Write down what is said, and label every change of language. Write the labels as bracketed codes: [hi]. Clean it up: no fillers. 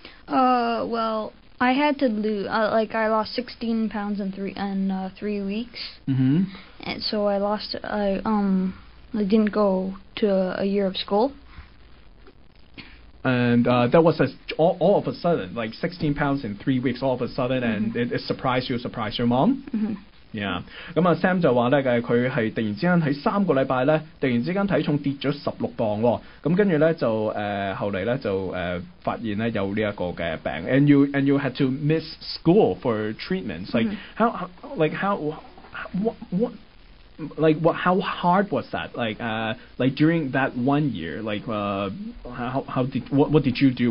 [en] Well, I had to lose. I lost 16 pounds in 3 weeks. Mm-hmm. And so I lost. I didn't go to a year of school. And that was all of a sudden, like 16 pounds in 3 weeks, all of a sudden, mm-hmm. And it surprised your mom. Mm-hmm. [yue] 咁啊 ，Sam 就話咧，佢係突然之間喺三個禮拜咧，突然之間體重跌咗16磅喎。咁跟住咧就後嚟咧就發現咧有呢一個嘅病。 [en] And you had to miss school for treatments. How hard was that? Like during that 1 year, what did you do?